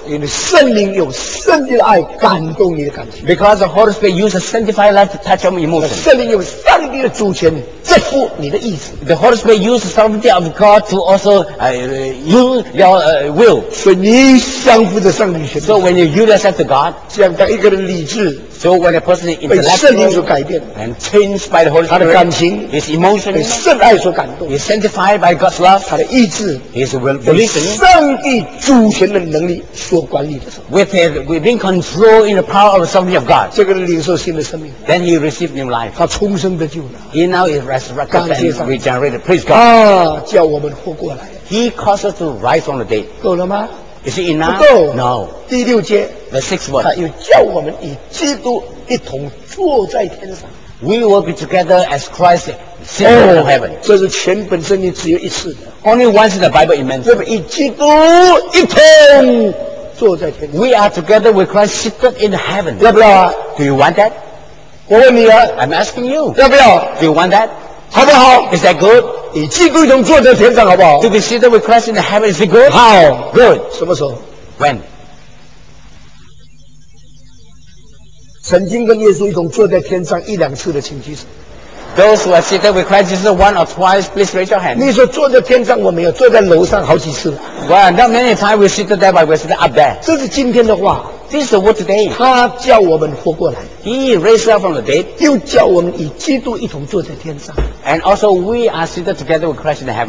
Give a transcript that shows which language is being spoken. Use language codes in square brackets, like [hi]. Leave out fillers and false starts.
[zh] 因为圣灵有圣灵的爱感动你的感情。 [en] Because the Holy Spirit uses sanctified life to touch your emotion. [zh] 圣灵有上帝的主权征服你的意志。 [en] The Holy Spirit uses sovereignty of God to also use your will. [zh] 所以你降服在上帝权。 [en] So when you yield yourself to God. [zh] 这样，当一个人理智 [en] ，so when a person intellectual [zh] 被圣灵所改变 [en] ，and changed by the Holy Spirit， [zh] 他的感情 [en] ，his emotion [zh] 被圣爱所感动 [en] ，is sanctified by God's love， [zh] 他的意志 [en] ，his volition [zh] 被上帝主权的能力所管理的时候 [en] ，with being controlled in the power of the sovereignty of God， [zh] 这个人领受新的生命 [en] ，then he received new life， [zh] 他重生得救了 [en] ，he now is resurrected and regenerated， praise God， [zh] 啊，叫我们活过来 [en] ，he causes to rise from the dead， [zh] 够了吗？ [en] Is it enough? [zh] 不够。 [en] No. [zh] 第六节 [en] The sixth one. [zh] 他又叫我们与基督一同坐在天上。 [en] We will be together as Christ sitting in heaven. [zh] 这是全本圣经只有一次的。 [en] Only once in the Bible it mentions. [zh] 我们与基督一同坐在天上。 [en] We are together with Christ seated in heaven. [zh] 要不要 [en] Do you want that? [zh] 我问你啊。 [en] I'm asking you. [zh] 要不要 [en] Do you want that? [zh] 好不好 [en] Is that good? [zh] 与基督一同坐在天上，好不好 [en] ？To be seated with Christ in the heaven is it good? How good? [zh] 什么时候 [en] ？When? [zh] 曾经跟耶稣一同坐在天上一两次的，请举手。 [en] Those who are seated with Christ Jesus one or twice, please raise your hand. [zh] 你说坐在天上我没有，坐在楼上好几次。 [en] Well, not many times we sit there, but we sit up there. [zh] 这是今天的话。 [en] This is the word today. [zh] 他叫我们活过来。 [en] He raised us from the dead. [zh] 又叫我们与基督一同坐在天上。 [en] And also we are seated together with Christ in the heaven.